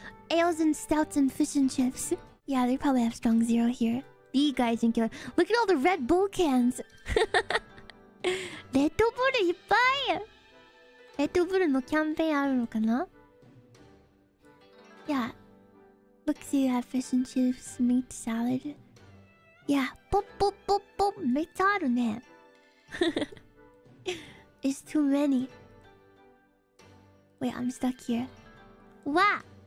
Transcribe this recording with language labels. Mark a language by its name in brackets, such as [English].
[English] Ales and stouts and fish and chips. Yeah, they probably have strong zero here. The gaijin killer. Look at all the Red Bull cans. Red Bull [Japanese] いっぱい! Red Bull のキャンペーンあるのかな? [English] Yeah. Look, see, you have fish and chips, meat, salad. Yeah, pop. [Japanese] めっちゃあるね。 [English] It's too many. Wait, I'm stuck here. Wow!